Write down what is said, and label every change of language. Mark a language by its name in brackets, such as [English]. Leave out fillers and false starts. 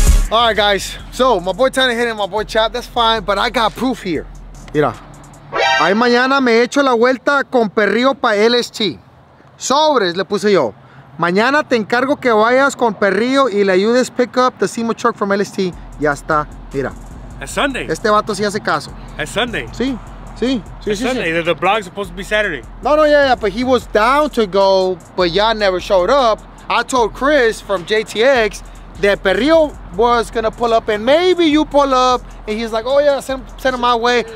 [English] All right, guys. So my boy Tanner hit him, my boy Chad, that's fine, but I got proof here. [Spanish] Mira. Ay, mañana me echo la vuelta con Perrío pa LST. Sobres, le puse yo. Mañana te encargo que vayas con Perrío y le ayudes [English] pick up the SEMA truck from LST. [Spanish] Ya está, mira. Es Sunday. Este vato sí hace caso. Es Sunday. Sí. [English] The blog's supposed to be Saturday. No, but he was down to go, but y'all never showed up. I told Chris from JTX, that Perrío was gonna pull up and maybe you pull up, and he's like, oh yeah, send him my way.